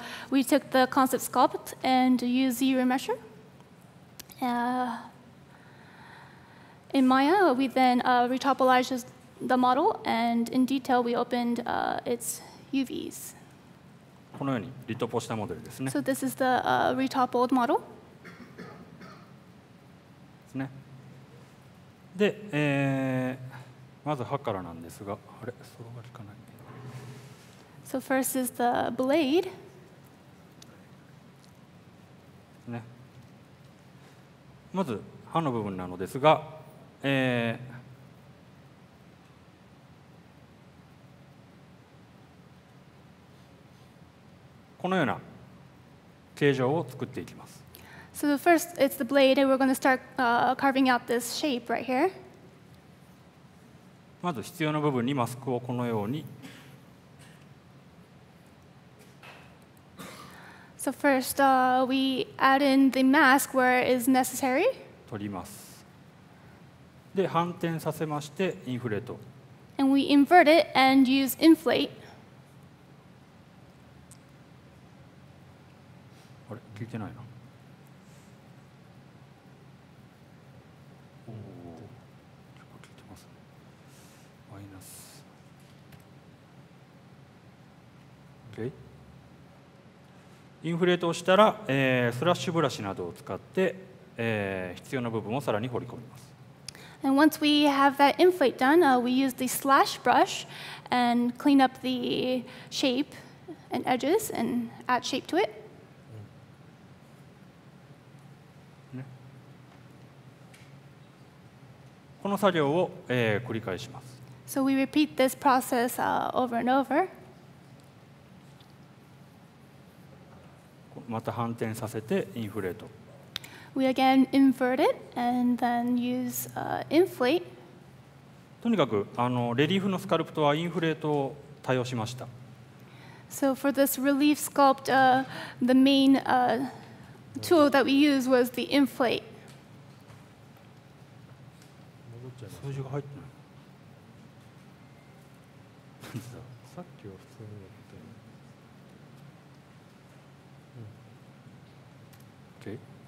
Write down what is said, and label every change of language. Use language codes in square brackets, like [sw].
[en] We took the concept sculpt and used zero measure. In Maya, we then retopologized the model and in detail we opened its UVs. [ja] このようにリトポしたモデルですね。 [en] So this is the retopled model. [ja] ですね。で、まず刃からなんですが、あれ、そろがりかない。 [en] So first is the blade. [ja] ね。まず刃の部分なのですが、このような形状を作っていきます。 [en] So first it's the blade and we're going to start carving out this shape right here. [ja] まず必要な部分にマスクをこのように。 [en] So first we add in the mask where it is necessary. [ja] 取ります。で反転させましてインフレート。 [en] And we invert it and use inflate. [ja] あれ聞いてないな。おお、結構聞いてます。マイナス。 [en] OK。 [ja] インフレートをしたら、スラッシュブラシなどを使って、必要な部分をさらに彫り込みます。 [en] And once we have that inflate done, we use the slash brush and clean up the shape and edges and add shape to it. [ja] この作業を、繰り返します。 [en] So we repeat this process over and over. [ja] また反転させてインフレート。 [en] We again invert it and then use inflate. [ja] とにかくレリーフのスカルプトはインフレートを多用しました。 [en] So for this relief sculpt, the main tool that we use was the inflate. [ja] 戻っちゃいます。数字が入ってない。さっきは普通にやって。 [en] OK。